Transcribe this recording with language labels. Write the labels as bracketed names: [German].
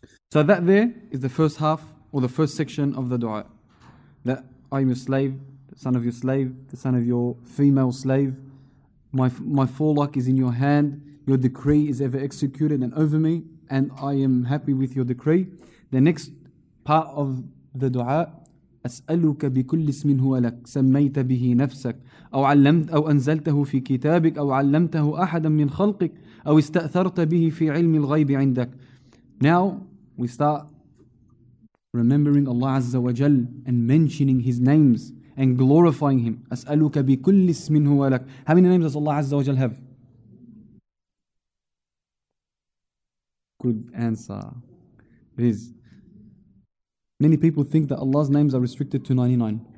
[English] So that there is the first half, or the first section of the dua. That I'm your slave, the son of your slave, the son of your female slave. My forelock is in your hand. Your decree is ever executed and over me, and I am happy with your decree. The next part of the dua, [Arabic] أسألك بكل اسم هو لك سميت به نفسك أو علمت أو أنزلته في كتابك أو علمته أحدا من خلقك أو استأثرت به في علم الغيب عندك. [English] Now we start remembering Allah Azza wa Jal and mentioning His names and glorifying Him. [Arabic] أسألك بكل اسم هو لك. [English] How many names does Allah Azza wa Jal have? Good answer. Many people think that Allah's names are restricted to 99.